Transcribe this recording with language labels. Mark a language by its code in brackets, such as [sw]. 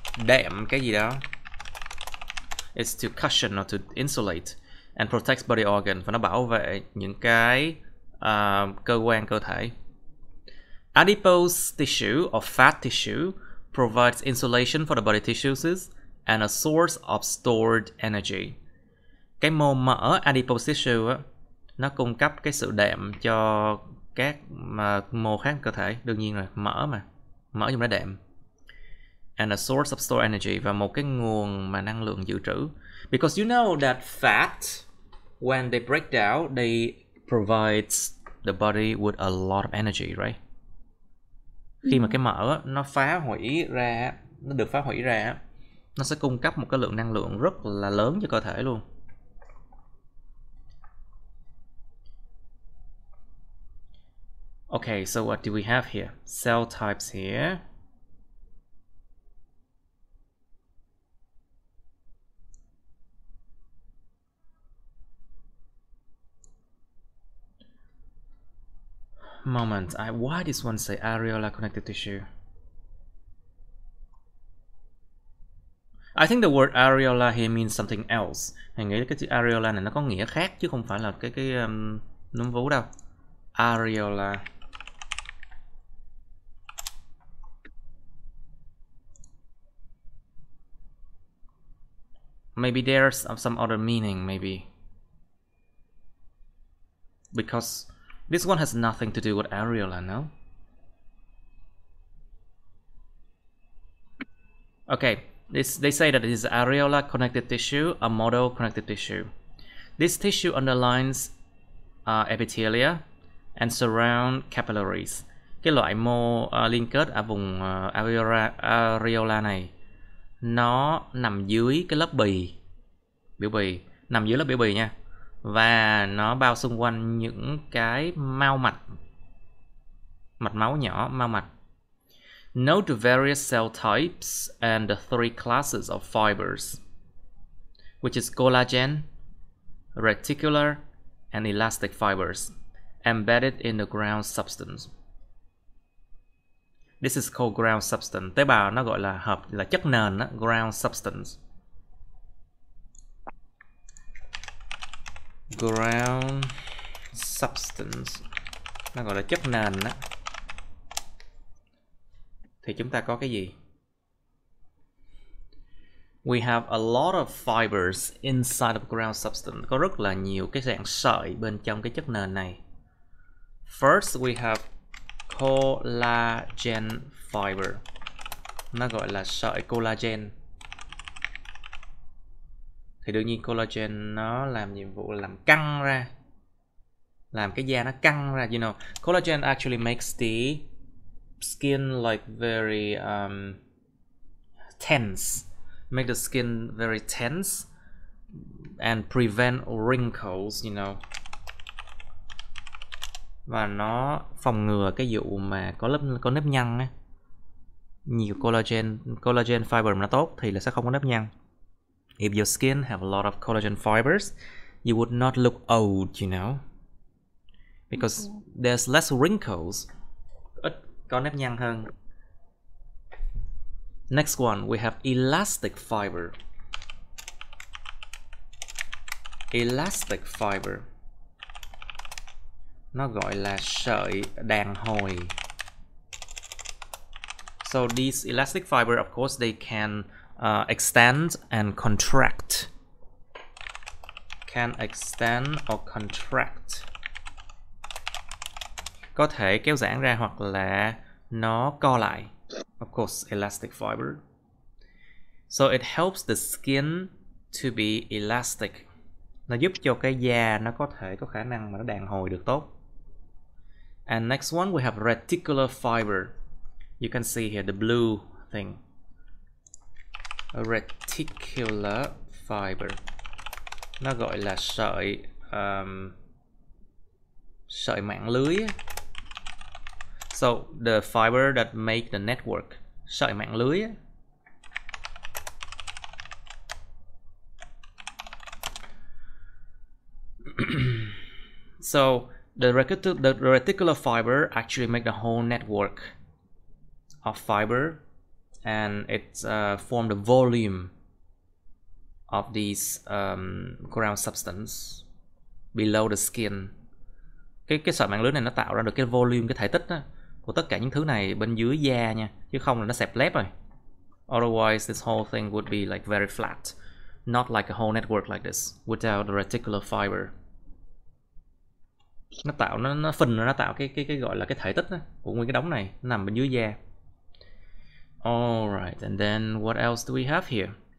[vi] Đệm cái gì đó, [en] it's to cushion or to insulate and protects body organ, [vi] và nó bảo vệ những cái cơ quan cơ thể. [en] Adipose tissue or fat tissue provides insulation for the body tissues and a source of stored energy. [vi] Cái mô mỡ adipose tissue á, nó cung cấp cái sự đệm cho các mô khác cơ thể, đương nhiên rồi, mỡ mà. Mỡ dùng để đệm. [en] And a source of stored energy, [vi] và một cái nguồn mà năng lượng dự trữ. [en] Because you know that fat, when they break down, they provide the body with a lot of energy, right? [vi] Khi mà cái mỡ nó phá hủy ra, nó được phá hủy ra, nó sẽ cung cấp một cái lượng năng lượng rất là lớn cho cơ thể luôn. [en] Okay, so what do we have here? Cell types here. Moment, why does one say areolar connective tissue? I think the word areola here means something else. [vi] Hình nghĩ cái chữ areola này nó có nghĩa khác chứ không phải là cái núm vú đâu. [en] Areola. Maybe there's some other meaning, maybe. Because this one has nothing to do with areola, no? Okay. They say that it is areolar connective tissue, a model connective tissue. This tissue underlines epithelia and surround capillaries. [vi] Cái loại mô liên kết ở vùng areola này, nó nằm dưới cái lớp bì, biểu bì, nằm dưới lớp biểu bì nha. Và nó bao xung quanh những cái mao mạch, mạch máu nhỏ, mao mạch. [en] Note the various cell types and the three classes of fibers, which is collagen, reticular, and elastic fibers, embedded in the ground substance. This is called ground substance. [vi] Tế bào nó gọi là hợp, là chất nền, đó, ground substance. Ground substance. Nó gọi là chất nền đó. Thì chúng ta có cái gì? [en] We have a lot of fibers inside of ground substance. [vi] Có rất là nhiều cái dạng sợi bên trong cái chất nền này. [en] First, we have collagen fiber. [vi] Nó gọi là sợi collagen. Thì đương nhiên collagen nó làm nhiệm vụ làm căng ra. Làm cái da nó căng ra. [en] You know, collagen actually makes the skin like very tense, make the skin very tense, and prevent wrinkles, you know. [vi] Và nó phòng ngừa cái vụ mà có lớp có nếp nhăn á. Nhiều collagen fiber mà nó tốt thì là sẽ không có nếp nhăn. [en] If your skin have a lot of collagen fibers, you would not look old, you know. Because there's less wrinkles. [vi] Ít có nếp nhăn hơn. [en] Next one, we have elastic fiber. Elastic fiber. [vi] Nó gọi là sợi đàn hồi. [en] So these elastic fiber, of course, they can extend and contract. Can extend or contract. [vi] Có thể kéo giãn ra hoặc là nó co lại. [en] Of course, elastic fiber. So it helps the skin to be elastic. [vi] Nó giúp cho cái da nó có thể có khả năng mà nó đàn hồi được tốt. [en] And next one, we have reticular fiber. You can see here the blue thing. A reticular fiber. [vi] Nó gọi là sợi sợi mạng lưới. [en] So the fiber that make the network, [vi] sợi mạng lưới. [en] So the reticular fiber actually make the whole network of fiber, and it form the volume of these ground substance below the skin. [vi] Cái sợi mạng lưới này nó tạo ra được cái volume, cái thể tích đó, của tất cả những thứ này bên dưới da nha, chứ không là nó xẹp lép rồi. [en] Otherwise this whole thing would be like very flat, not like a whole network like this without the reticular fiber. [vi] Nó tạo nó phình nó tạo cái gọi là cái thể tích đó, của nguyên cái đống này nó nằm bên dưới da. [en] Alright, and then what else do we have here?